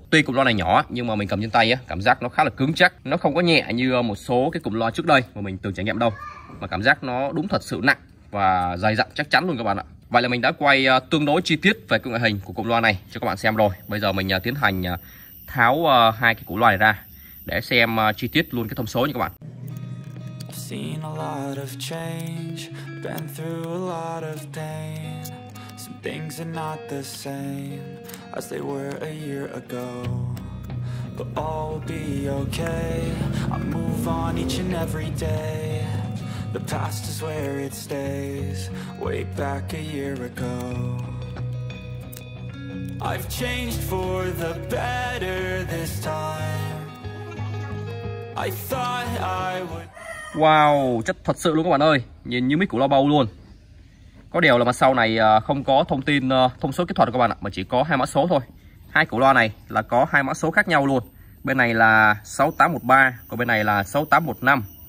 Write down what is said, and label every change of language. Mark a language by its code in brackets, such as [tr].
[vi] Tuy cụm loa này nhỏ nhưng mà mình cầm trên tay á, cảm giác nó khá là cứng chắc. Nó không có nhẹ như một số cái cụm loa trước đây mà mình từng trải nghiệm đâu, mà cảm giác nó đúng thật sự nặng và dày dặn chắc chắn luôn các bạn ạ. Vậy là mình đã quay tương đối chi tiết về cái ngoại hình của cụm loa này cho các bạn xem rồi. Bây giờ mình tiến hành tháo hai cái cụm loa này ra để xem chi tiết luôn cái thông số nha các bạn. [en] Seen a lot of change, been through a lot of pain. Some things are not the same as they were a year ago, but all will be okay. I move on each and every day. The past is where it stays, way back a year ago. I've changed for the better this time. I thought I would. [vi] Wow, chất thật sự luôn các bạn ơi, nhìn như mic của loa bầu luôn. Có điều là mặt sau này không có thông tin thông số kỹ thuật các bạn ạ, mà chỉ có hai mã số thôi. Hai cụ loa này là có hai mã số khác nhau luôn. Bên này là 6813, còn bên này là 6815.